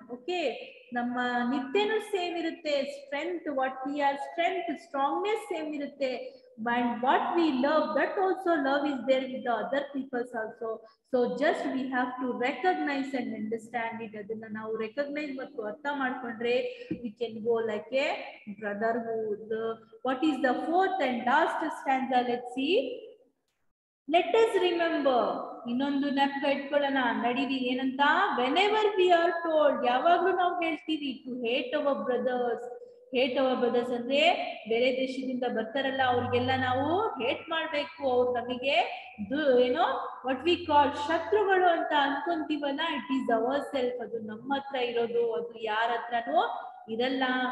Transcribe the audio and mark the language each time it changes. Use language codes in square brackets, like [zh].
[kn] Okay, ನಮ್ಮ ನಿದ್ದೆನೂ same ಇರುತ್ತೆ, strength, what we are strength, strongness same ಇರುತ್ತೆ. [en] And what we love, that also love is there with the other people also. So just we have to recognize and understand it. [kn] Adanna now recognize matu artha maadkondre, [en] we can go like a brotherhood. What is the fourth and last stanza? Let's see. Let us remember. [kn] ಇನ್ನೊಂದು ನೆನಪು ಇಟ್ಕೊಳ್ಳೋಣ, ನಡೀರಿ ಏನಂತ, [en] whenever we are told, [kn] ಯಾವಾಗ್ಲೂ ನಾವು ಹೇಳ್ತೀವಿ [en] To hate our brothers. [kn] Hate hour brothers ಅಂದ್ರೆ ಬೇರೆ ದೇಶದಿಂದ ಬರ್ತಾರಲ್ಲ, ಅವ್ರಿಗೆಲ್ಲ ನಾವು ಹೇಟ್ ಮಾಡ್ಬೇಕು, ಅವ್ರು ನಮಗೆ ಏನೋ ವಾಟ್ ವಿ ಕಾಲ್ ಶತ್ರುಗಳು ಅಂತ ಅನ್ಕೊಂತೀವಲ್ಲ, [en] it is our self, [kn] ಅದು ನಮ್ಮ ಹತ್ರ ಇರೋದು, ಅದು ಯಾರ ಹತ್ರನೂ ಇರಲ್ಲ.